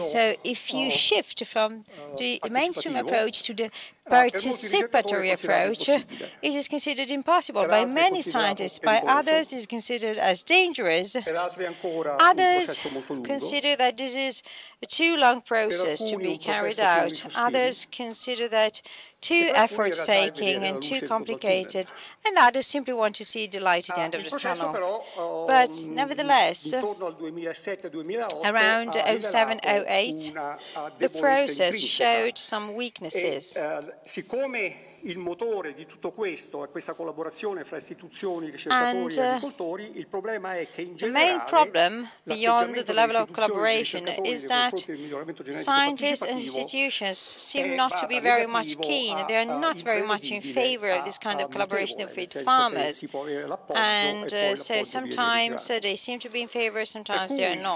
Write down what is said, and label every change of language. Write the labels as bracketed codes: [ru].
[en] So if you shift from the mainstream approach to the participatory approach, it is considered impossible by many scientists, by others it is considered as dangerous, others consider that this is a too long process to be carried out, others consider that too effort-taking and too complicated, and others simply want to see the light at the end of the tunnel. But nevertheless, around 2007-08, the process showed some weaknesses. [it] Siccome il motore di tutto questo è questa collaborazione fra istituzioni, ricercatori e agricoltori, il problema è che in generale [en] the main problem beyond the level of collaboration is that scientists and institutions seem not to be very much keen. They are not very much in favor of this kind of collaboration with farmers. And so sometimes they seem to be in favor, sometimes they are not.